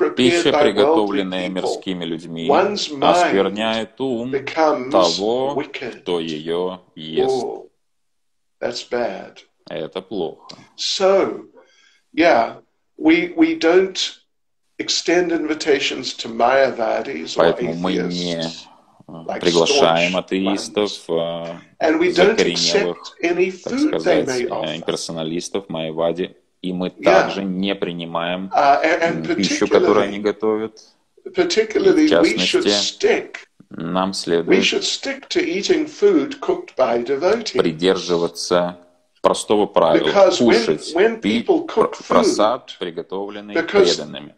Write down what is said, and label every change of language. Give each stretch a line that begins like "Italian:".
Russian: Пища, приготовленная мирскими людьми, оскверняет ум того, кто ее ест.
English: That's bad.
Russian: Это плохо.
English: So, yeah, we don't extend invitations to mayavadis or atheists.
Russian: Поэтому мы не приглашаем атеистов, закоренелых, так сказать, имперсоналистов, майявади, и мы также не принимаем пищу, которую они готовят.
English: Particularly,
Russian: в частности, нам следует придерживаться простого правила кушать просад, приготовленный преданными.